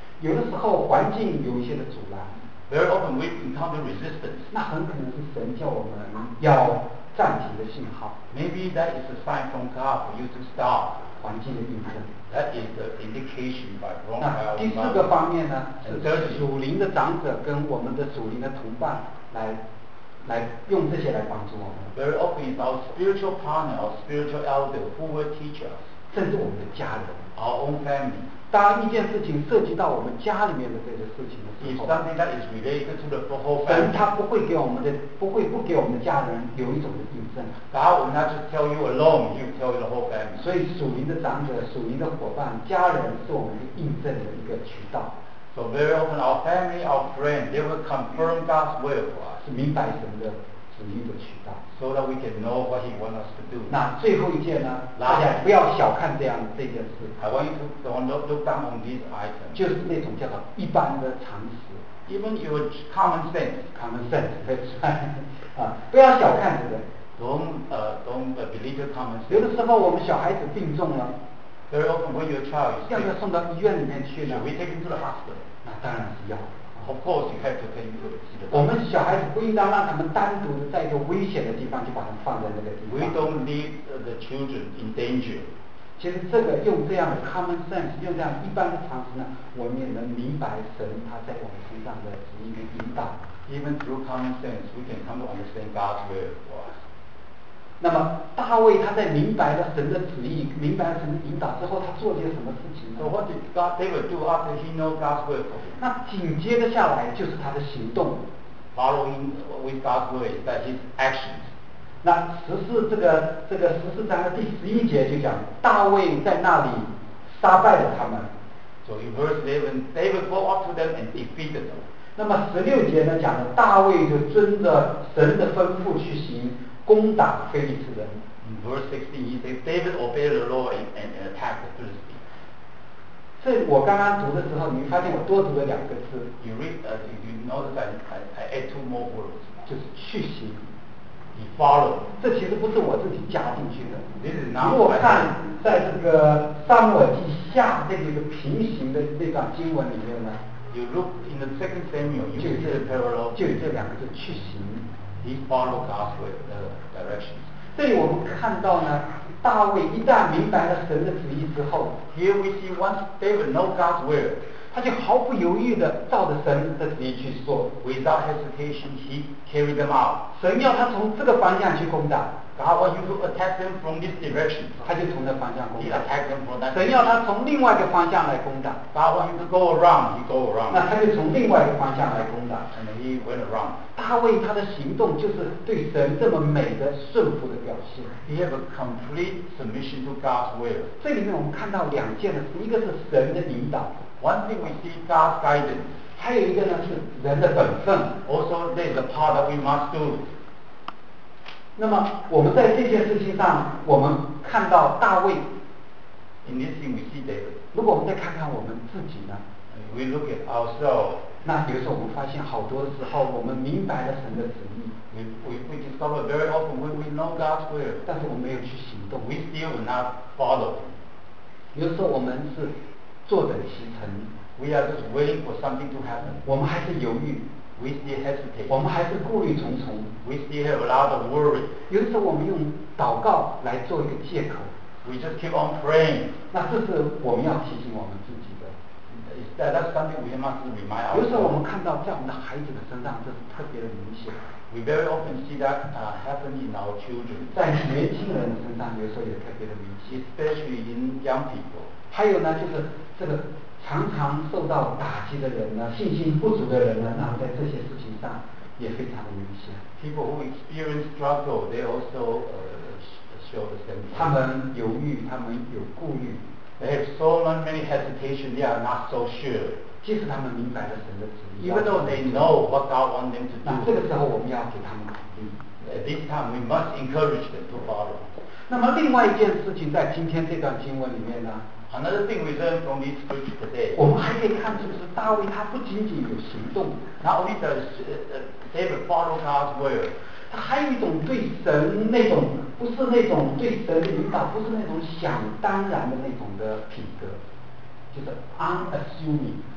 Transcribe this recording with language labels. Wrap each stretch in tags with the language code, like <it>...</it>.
<zh>有的时候环境有一些的阻拦。</zh> <en>Very often we encounter resistance.</en> <zh>那很可能是神叫我们要暂停的信号。</zh> <en>Maybe that is a sign from God for you to stop.</en> <zh>环境的印证。</zh> <en>That is the indication by wrong.</en> <zh>那第四个方面呢，是属灵的长者跟我们的属灵的同伴来用这些来帮助我们。</zh> <en>Very often is our spiritual partner, our spiritual elder, who will teach us.</en> <zh>甚至我们的家人</zh> <en>，our own family.</en> <zh>当一件事情涉及到我们家里面的这个事情的时候</zh> <en>，If something that is related to the whole family,</en> <zh>神他不会不给我们的家人有一种的印证。</zh> <en>God will not just tell you alone, He will tell you the whole family.</en> <zh>所以属灵的长者、属灵的伙伴、家人是我们的印证的一个渠道。</zh> <en>So very often our family, our friends, they will confirm God's will for us.</en> <zh>明白神的使命的渠道。</zh> <en>So that we can know what he wants us to do.</en> <zh>那最后一件呢？大家不要小看这样这件事。</zh> <en>I want you to look down on these items.</en> <zh>就是那种叫做一般的常识。</zh> <en>Even your common sense. Common sense, that's right.</en> <zh>不要小看这个。</zh> <en>Don't believe your common sense.</en> <zh>有的时候我们小孩子病重了。</zh> <en>Very often when your child is sick.</en> <zh>要送到医院里面去呢。</zh> <en>Should we take him to the hospital?</en> <zh>那当然是要。</zh> <en>Of course, you have to take him to the hospital.</en> <zh>我们小孩子不应当让他们单独的在一个危险的地方就把他放在那个地方。</zh> <en>We don't leave the children in danger.</en> <zh>其实这个用这样的 common sense, 用这样一般的常识呢，我们也能明白神他在我们身上的指引跟引导。</zh> <en>Even through common sense, we can come to understand God's will for us.</en> <zh>那么大卫他在明白了神的旨意，明白了神的引导之后，他做了些什么事情呢？</zh> <en>So what did David do after he knew God's will for him?</en> <zh>那紧接着下来就是他的行动。</zh> <en>Following with God's will, that his actions.</en> <zh>那十四这个十四章的第十一节就讲大卫在那里杀败了他们。</zh> <en>So in verse 11, David went up to them and defeated them.</en> <zh>那么十六节呢，讲了大卫就遵着神的吩咐去行。攻打非利士人。</zh> <en>In verse 16, he says, David obeyed the law and attacked the Philistines.</en> <zh>这我刚刚读的时候，你发现我多读了两个字。</zh> <en>You read, you notice that I add two more words.</en> <zh>就是去行。</zh> <en>He followed.</en> <zh>这其实不是我自己加进去的。</zh> <en>This is not.</en> <zh>如果看在这个撒母耳记下这个平行的这段经文里面呢</zh> <en>，You look in the second Samuel, you see the parallel.</en> <zh>就这两个字，去行。</zh> <en>He followed God's way, directions.</en> <zh>这里我们看到呢，大卫一旦明白了神的旨意之后</zh> <en>，Here we see once David know God's will,</en> <zh>他就毫不犹豫地照着神的旨意去做。</zh> <en>Without hesitation, he carried them out.</en> <zh>神要他从这个方向去攻打</zh> <en>，God wants you to attack them from this direction.</en> <zh>他就从这方向攻打。</zh> <en>He attacked them from that.</en> <zh>神要他从另外一个方向来攻打</zh> <en>，God wants you to go around. He go around.</en> <zh>那他就从另外一个方向来攻打</zh> <en>，and he went around.</en> <zh>大卫他的行动就是对神这么美的顺服的表现。</zh> <en>He have a complete submission to God's will.</en> <zh>这里面我们看到两件的事，一个是神的引导。</zh> <en>One thing we see God's guidance.</en> <zh>还有一个呢是人的本分。</zh> <en>Also there's a part that we must do.</en> <zh>那么我们在这件事情上，我们看到大卫。</zh> <en>In this thing we see David.</en> <zh>如果我们再看看我们自己呢</zh> <en>？We look at ourselves.</en> <zh>那有时候我们发现好多的时候我们明白了神的旨意</zh> <en>we discover very often when we know God's will</en> <zh>但是我们没有去行动</zh> <en>we still not follow</en> <zh>有时候我们是坐等其成</zh> <en>we are just waiting for something to happen</en> <zh>我们还是犹豫</zh> <en>we still hesitate</en> <zh>我们还是顾虑重重</zh> <en>we still have a lot of worry</en> <zh>有时候我们用祷告来做一个借口</zh> <en>we just keep on praying</en> <zh>那这是我们要提醒我们自己</zh> <en>That's something we must remind ourselves.</en> <zh>有时候我们看到在我们的孩子的身上，这是特别的明显。</zh> <en>We very often see that happen in our children.</en> <zh>在年轻人的身上，有时候也特别的明显。</zh> <en>Especially in young people.</en> <zh>还有呢，就是这个常常受到打击的人呢，信心不足的人呢，那在这些事情上也非常的明显。</zh> <en>People who experience struggle, they also show the same.</en> <zh>他们犹豫，他们有顾虑。</zh> <en>They have so many hesitation. They are not so sure.</en> <zh>即使他们明白了神的旨意</zh> <en>，Even though they know what God wants them to do.</en> <zh>那这个时候我们要给他们鼓励。</zh> <en>At this time, we must encourage them to follow.</en> <zh>那么另外一件事情，在今天这段经文里面呢</zh> <en>？Another thing we learn from this scripture today.</en> <zh>我们还可以看出，是大卫他不仅仅有行动</zh> <en>，Not only does David follow God's will.</en> <zh>他还有一种对神那种。不是那种对神领导，不是那种想当然的那种的品格，就是 unassuming。</zh>